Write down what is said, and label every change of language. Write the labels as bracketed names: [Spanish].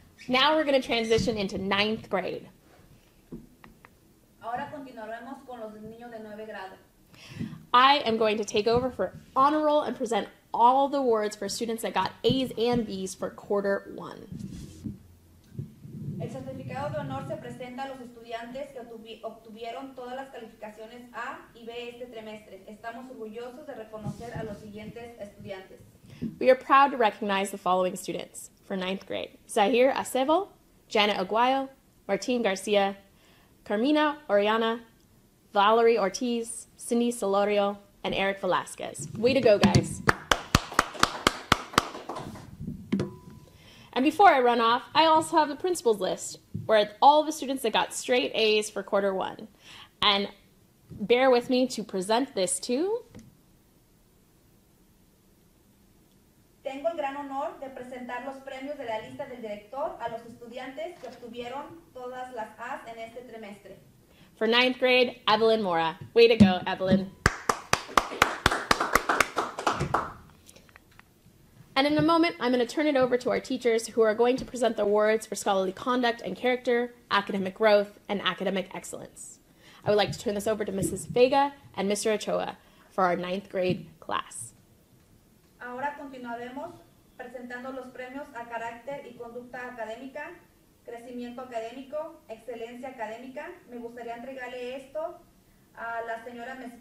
[English] Now we're going to transition into ninth grade. [Spanish] Ahora continuaremos con los niños de 9 grado. [English] I am going to take over for honor roll and present all the awards for students that got A's and B's for quarter one. [Spanish] El certificado de honor se presenta a los estudiantes que obtuvieron todas las calificaciones A y B este trimestre. Estamos orgullosos de reconocer a los siguientes estudiantes. [English] We are proud to recognize the following students for ninth grade: Zahir Acevo, Janet Aguayo, Martin Garcia, Carmina Oriana, Valerie Ortiz, Cindy Solorio, and Eric Velasquez. Way to go, guys. And before I run off, I also have the principal's list where all the students that got straight A's for quarter one. And bear with me to present this to. [Spanish] Tengo el gran honor de presentar los premios de la lista del director a los estudiantes que obtuvieron todas las A's en este trimestre. [English] For ninth grade, Evelyn Mora. Way to go, Evelyn. And in a moment, I'm going to turn it over to our teachers who are going to present the awards for scholarly conduct and character, academic growth, and academic excellence. I would like to turn this over to Mrs. Vega and Mr. Ochoa for our ninth grade class. [Spanish] Ahora continuaremos presentando los premios a carácter y conducta académica, crecimiento académico, excelencia académica. Me gustaría entregarle esto a la señora Ms.